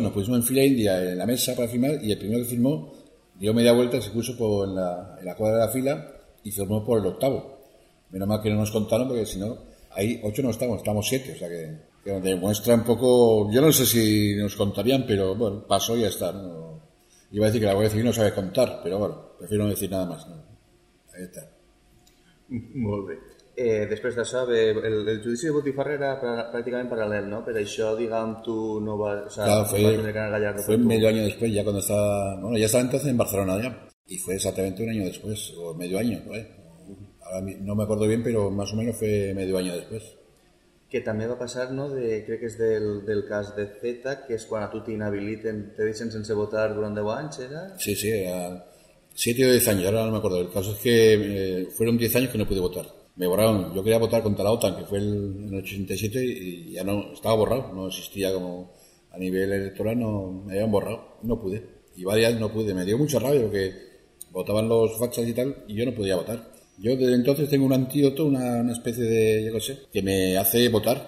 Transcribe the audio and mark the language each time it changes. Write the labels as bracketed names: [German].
[Spanish] Nos pusimos en fila india en la mesa para firmar y el primero que firmó dio media vuelta, se puso en la cuadra de la fila y firmó por el octavo. Menos mal que no nos contaron porque si no, ahí 8 no estamos 7, o sea que... Que demuestra un poco, yo no sé si nos contarían, pero bueno, pasó y ya está, ¿no? Iba a decir que la Guardia Civil no sabe contar, pero bueno, prefiero no decir nada más, ¿no? Ahí está. [Catalan] Molt bé. Després d'això, el judici de Botifarra era pràcticament paral·lel, ¿no? Per això, diguem, tu no vas... [Spanish] O sea, claro, fue, Gallardo, fue medio año después, ya cuando estaba... Bueno, ya estaba entonces en Barcelona, ya. Y fue exactamente un año después, o medio año, ¿no? Ahora no me acuerdo bien, pero más o menos fue medio año después. [Catalan] Que també va passar, no?, de, crec que és del cas de Zeta, que és quan a tu t'inhabiliten, te deixen sense votar durant 10 anys, era? Sí, sí, era 7 o 10 anys, ara no m'acordo. El cas és que fueron 10 anys que [Spanish] no pude votar. Me borraron, yo quería votar contra la OTAN, que fue en el 87, y ya no, estaba borrado, no existía como a nivel electoral, no, me habían borrado, no pude. Y varias no pude, me dio mucha rabia porque votaban los fachas y tal, y yo no podía votar. Yo desde entonces tengo un antídoto, una especie de, yo qué sé, que me hace votar.